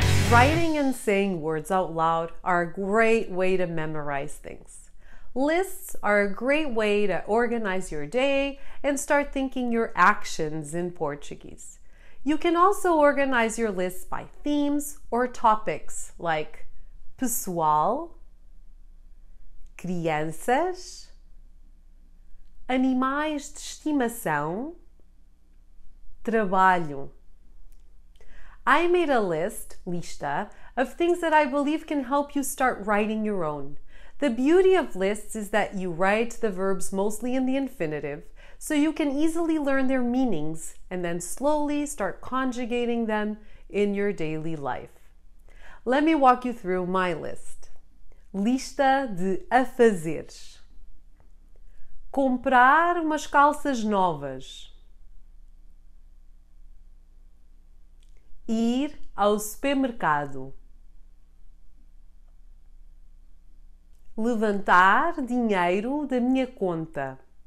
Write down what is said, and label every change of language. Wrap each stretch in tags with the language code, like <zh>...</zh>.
<en>Writing and saying words out loud are a great way to memorize things. Lists are a great way to organize your day and start thinking your actions in Portuguese. You can also organize your lists by themes or topics like</en> <pt>pessoal, crianças, animais de estimação, trabalho.</pt> <en>I made a list, lista, of things that I believe can help you start writing your own. The beauty of lists is that you write the verbs mostly in the infinitive, so you can easily learn their meanings and then slowly start conjugating them in your daily life. Let me walk you through my list.</en> <pt>Lista de afazeres. Comprar umas calças novas. Ir ao supermercado. Levantar dinheiro da minha conta.</pt>